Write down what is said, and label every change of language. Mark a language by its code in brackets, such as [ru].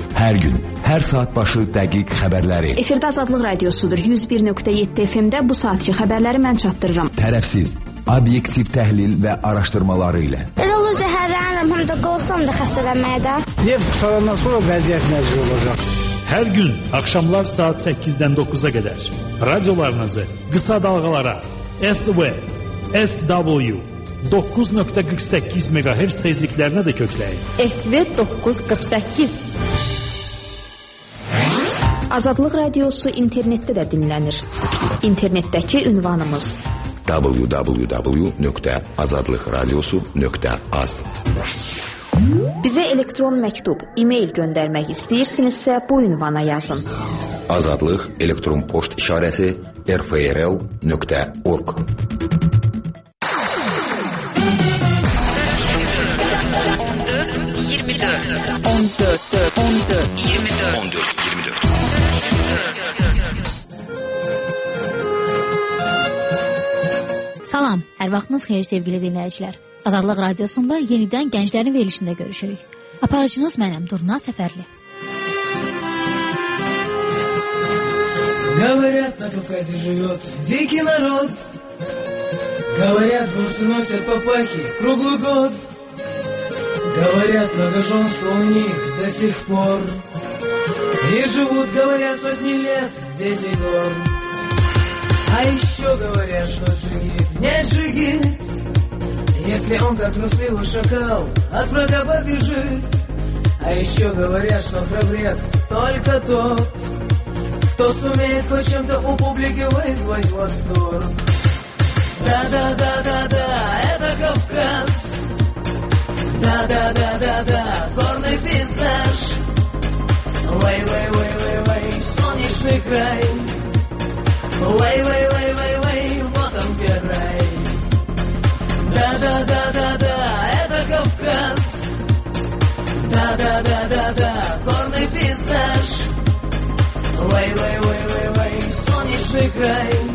[az] Hər gün, hər saat başı dəqiq xəbərləri. Efirdə azadlıq radiosudur. 101.7 FM-də bu saatki xəbərləri mən çatdırıram. Tərəfsiz, obyektiv təhlil və araşdırmaları ilə. Elə olur, zəhərlənirəm, həm də qorxuram da xəstələnməyə də. Lev qutarandan sonra vəziyyət nəzir olacaq. [tr] Her gün akşamlar saat 8'den 9'a kadar radyolarınızı kısa dalgalara SW 9.48 MHz tezliklerine de kökleyin. SW 9.48. [az] Azadlıq Radiosu internetdə də dinlənir. İnternetdəki ünvanımız www.azadlıqradiosu.az. Bizə elektron məktub, e-mail göndərmək istəyirsinizsə, bu ünvana yazın. Azadlıq elektron poçt işarəsi rfrl.org. Salam, hər vaxtınız xeyir sevgili dinləyicilər. Azadlıq Radiosunda yenidən gənclərin verilişində görüşürük. Aparıcınız mənəm, Durna Səfərli. [ru] Говорят, на Кавказе живет дикий народ. Говорят, горцы носят папахи круглый год. Говорят, многоженство у них до сих пор. И живут, говорят, сотни лет, десять гор. А еще говорят, что джигит не джигит, если он как трусливый шакал от врага побежит. А еще говорят, что храбрец только тот, кто сумеет хоть чем-то у публики вызвать восторг. Да-да-да-да-да, это Кавказ. Да-да-да-да-да, горный пейзаж. Вай-вай-вай-вай-вай, солнечный край. Вай-вай-вай-вай-вай, вот он где рай. Да-да-да-да-да, это Кавказ. Да-да-да-да-да, горный пейзаж. Вай-вай-вай-вай-вай, солнечный край.